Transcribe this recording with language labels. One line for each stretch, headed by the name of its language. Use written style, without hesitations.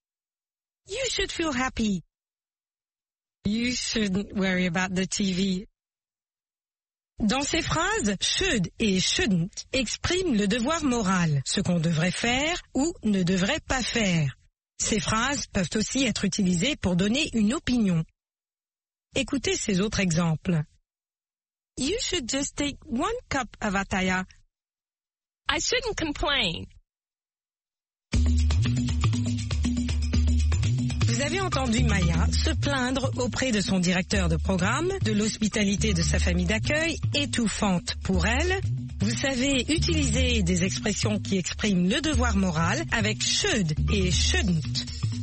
English: « You should feel happy. »« You shouldn't worry about the TV.
French: » Dans ces phrases, « should » et « shouldn't » expriment le devoir moral, ce qu'on devrait faire ou ne devrait pas faire. Ces phrases peuvent aussi être utilisées pour donner une opinion. Écoutez ces autres exemples.
English: You should just take one cup of ataya. I shouldn't complain.
French: Vous avez entendu Maya se plaindre auprès de son directeur de programme de l'hospitalité de sa famille d'accueil étouffante pour elle. Vous savez utiliser des expressions qui expriment le devoir moral avec « should » et « shouldn't ».